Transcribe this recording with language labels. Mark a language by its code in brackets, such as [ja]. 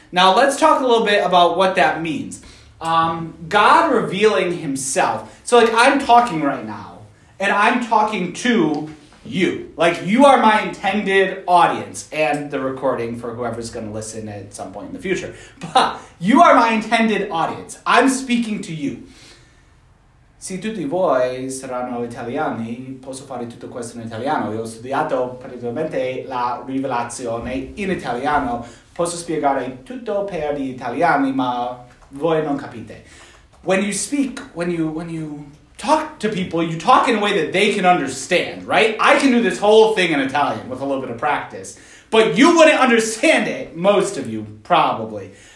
[en] Now, let's talk a little bit about what that means. God revealing himself. So, like, I'm talking right now, and I'm talking to you. Like, you are my intended audience, and the recording for whoever's going to listen at some point in the future. But you are my intended audience. I'm speaking to you. [it] Se tutti voi saranno italiani, posso fare tutto questo in italiano. Io ho studiato praticamente la rivelazione in italiano. Posso spiegare tutto per gli italiani, ma voi non capite. [en] When you speak, when you talk to people, you talk in a way that they can understand, right? I can do this whole thing in Italian with a little bit of practice. But you wouldn't understand it, most of you, probably.